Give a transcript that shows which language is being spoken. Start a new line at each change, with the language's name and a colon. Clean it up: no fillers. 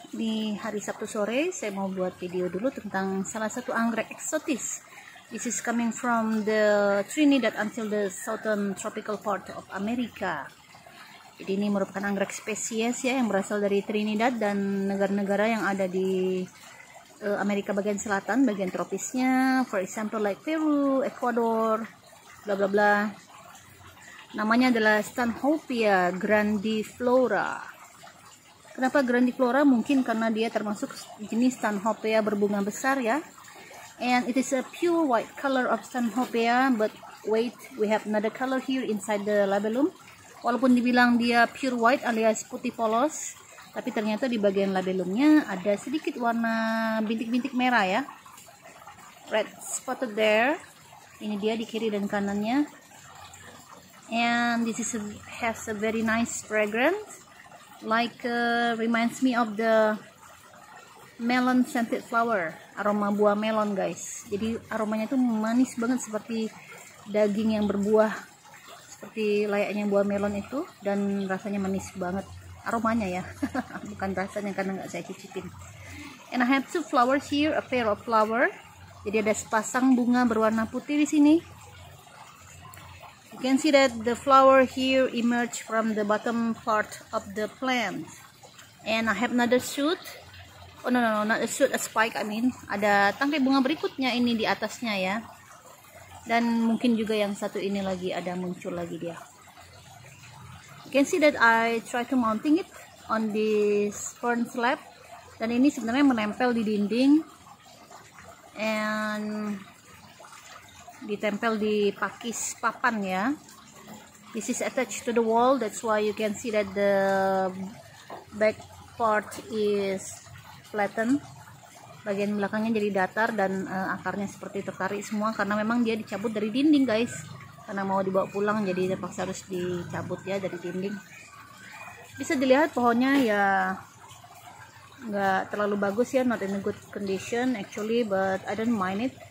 Indonesian: Di hari Sabtu sore, saya mau buat video dulu tentang salah satu anggrek eksotis.
English: This is coming from the Trinidad until the southern tropical part of America.
Indonesian: Jadi ini merupakan anggrek spesies ya, yang berasal dari Trinidad dan negara-negara yang ada di Amerika bagian selatan, bagian tropisnya.
English: For example like Peru, Ecuador, bla bla bla.
Indonesian: Namanya adalah Stanhopia grandiflora. Kenapa grandiflora? Mungkin karena dia termasuk jenis Stanhopia berbunga besar ya.
English: And it is a pure white color of Stanhopia, but wait, we have another color here inside the labellum.
Indonesian: Walaupun dibilang dia
English: pure white
Indonesian: alias putih polos, tapi ternyata di bagian labellumnya ada sedikit warna bintik-bintik merah ya.
English: Red spotted there.
Indonesian: Ini dia di kiri dan kanannya.
English: And this is has a very nice fragrance, like reminds me of the melon scented flower,
Indonesian: aroma buah melon guys. Jadi aromanya tuh manis banget seperti daging yang berbuah, seperti layaknya buah melon itu, dan rasanya manis banget aromanya ya, bukan rasanya karena nggak saya cicipin.
English: And I have two flowers here, a pair of flower.
Indonesian: Jadi ada sepasang bunga berwarna putih di sini.
English: You can see that the flower here emerge from the bottom part of the plant. And I have another shoot. Oh no no no, not a shoot, a spike I mean.
Indonesian: Ada tangkai bunga berikutnya ini di atasnya ya. Dan mungkin juga yang satu ini lagi ada muncul lagi dia.
English: You can see that I try to mounting it on this fern slab.
Indonesian: Dan ini sebenarnya menempel di dinding. And ditempel di pakis papan ya.
English: This is attached to the wall, that's why you can see that the back part is flattened.
Indonesian: Bagian belakangnya jadi datar dan akarnya seperti tertarik semua karena memang dia dicabut dari dinding guys. Karena mau dibawa pulang jadi terpaksa harus dicabut ya dari dinding. Bisa dilihat pohonnya ya nggak terlalu bagus ya,
English: not in a good condition actually, but I don't mind it.